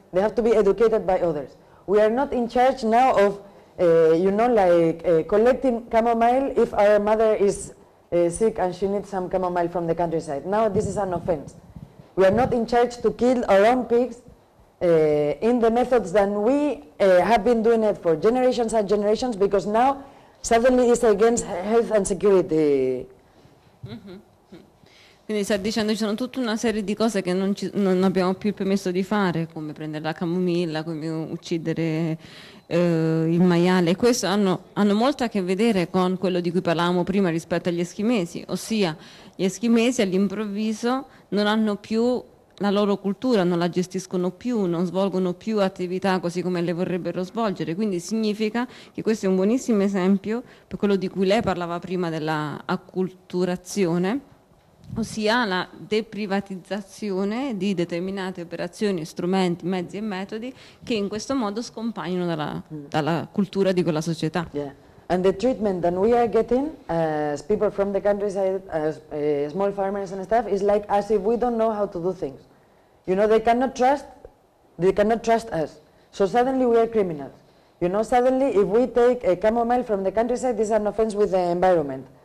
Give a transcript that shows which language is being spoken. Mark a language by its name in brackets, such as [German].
[English] They have to be educated by others. We are not in charge now of, you know, like collecting chamomile if our mother is sick and she needs some chamomile from the countryside. Now this is an offense. We are not in charge to kill our own pigs in the methods that we have been doing it for generations and generations, because now suddenly it's against health and security. Mm-hmm. [Italian] Quindi sta dicendo ci sono tutta una serie di cose che non abbiamo più il permesso di fare, come prendere la camomilla, come uccidere il maiale. E questo hanno molto a che vedere con quello di cui parlavamo prima rispetto agli eschimesi, ossia gli eschimesi all'improvviso non hanno più la loro cultura, non la gestiscono più, non svolgono più attività così come le vorrebbero svolgere. Quindi significa che questo è un buonissimo esempio per quello di cui lei parlava prima della acculturazione, ossia la deprivatizzazione di determinate operazioni, strumenti, mezzi e metodi che in questo modo scompaiono dalla cultura di quella società. [English] Yeah. And the treatment that we are getting as people from the countryside, as small farmers and stuff, is like as if we don't know how to do things. You know, they cannot trust us. So suddenly we are criminals. You know, suddenly if we take a chamomile from the countryside, this is an offense with the environment.